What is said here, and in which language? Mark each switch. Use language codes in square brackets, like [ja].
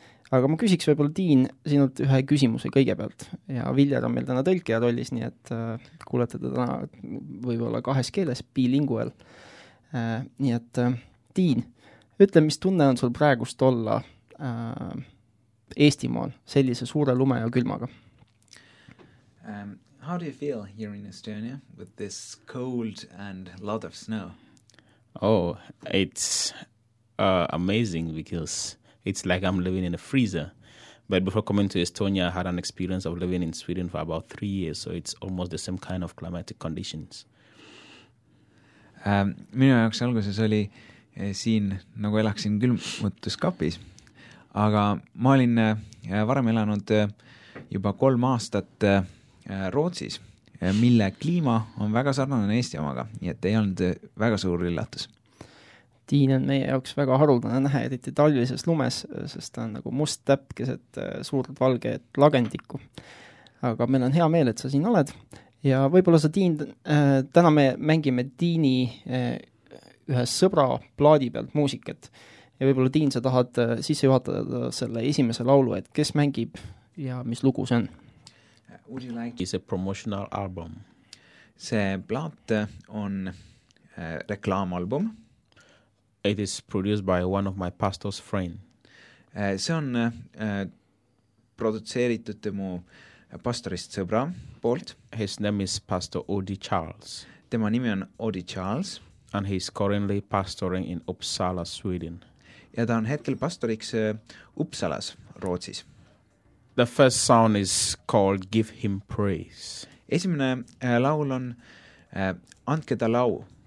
[et] Aga ma küsiks võibolla Dean sinult ühe küsimuse kõigepealt. Ja Viljar on meil täna tõlkija rollis, nii et kuulete ta täna võibolla kahes keeles, bilingual. Nii et Dean, ütle, mis tunne on sul praegust olla Eestimaal sellise suure lume ja külmaga? [en] How do you feel here in Estonia with this cold and lot of snow? Oh, it's amazing because it's like I'm living in a freezer. But before coming to Estonia, I had an experience of living in Sweden for about 3 years, so it's almost the same kind of climatic conditions. [et] Minu jaoks alguses oli siin, nagu elaksin külmutuskapis, aga ma olin varem elanud juba 3 aastat Rootsis, mille kliima on väga sarnane Eesti omaga, nii et ei olnud väga suur üllatus. Tiin on meie jaoks väga haruldane näha, eriti talvises lumes, sest ta on nagu must täpkesed suurt valged lagendiku. Aga meil on hea meel, et sa siin oled. Ja võibolla sa Tiin, täna me mängime Tiini ühes sõbra plaadi pealt muusikat. Ja võibolla Tiin, sa tahad sisse juhatada selle esimese laulu, et kes mängib ja mis lugu see on? [en] Would you like is a promotional album? [et] See plaat on reklaamalbum. [en] It is produced by one of my pastor's friend. [et] See on produtseeritud mu pastorist sõbra poolt. [en] His name is Pastor Odi Charles. [et] Tema nimi on Odi Charles. [en] And he is currently pastoring in Uppsala, Sweden. [et] Ja ta on hetkel pastoriks Uppsalas, Rootsis. [en] The first song is called Give Him Praise. [et] Esimene laul on Antke ta lau.